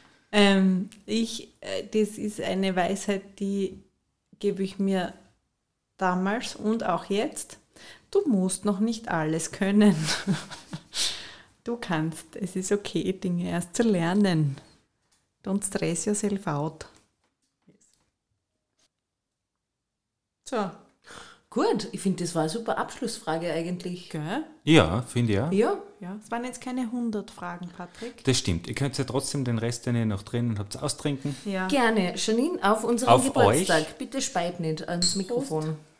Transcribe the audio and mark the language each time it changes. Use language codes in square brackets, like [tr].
[de] Das ist eine Weisheit, die gebe ich mir damals und auch jetzt. Du musst noch nicht alles können. Du kannst, es ist okay, Dinge erst zu lernen. [en] Don't stress yourself out. [de] So. Gut, ich finde, das war eine super Abschlussfrage eigentlich. Gell? Ja, finde ich auch. Ja. Ja, es waren jetzt keine 100 Fragen, Patrick. Das stimmt. Ihr könnt ja trotzdem den Rest, den ihr noch drinnen habt, austrinken. Ja. Gerne. Janine, auf unseren auf Geburtstag. Euch. Bitte speib nicht ans Mikrofon.